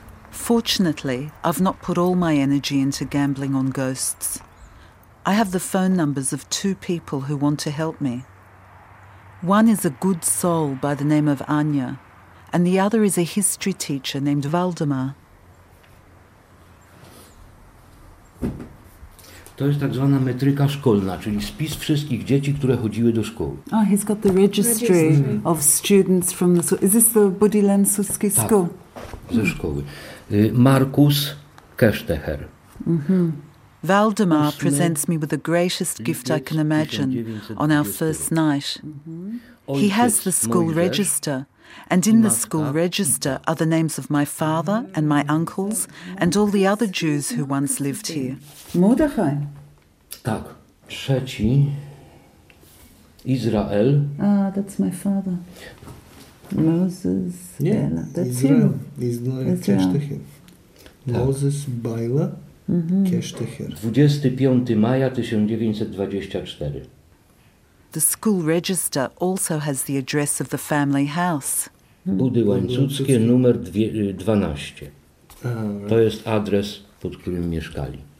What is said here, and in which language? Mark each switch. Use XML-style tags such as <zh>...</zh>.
<en>Fortunately, I've not put all my energy into gambling on ghosts. I have the phone numbers of two people who want to help me. One is a good soul by the name of Anya, and the other is a history teacher named Waldemar.</en> <pl>To jest tak zwana metryka szkolna, czyli spis wszystkich dzieci, które chodziły do szkoły.</pl> <en>Oh, he's got the registry of students from the school. Is this the Budilensky school?</en> <pl>Tak, ze szkoły. Markus Kesztecher. Mm-hmm.</pl> <en>Waldemar presents me with the greatest gift I can imagine on our first night. He has the school register, and in the school register are the names of my father and my uncles and all the other Jews who once lived here. Mordechai.</en> <pl>Tak. Trzeci. Izrael.</pl> <en>Ah, that's my father. Moses. Yeah, that's Izrael. Him. Izrael. Moses Baila. Mm-hmm.</en> <pl>25 maja 1924.</pl> <en>The school register also has the address of the family house.</en> <pl>Budy Łańcuckie, numer 12. To jest adres, pod którym mieszkali.</pl>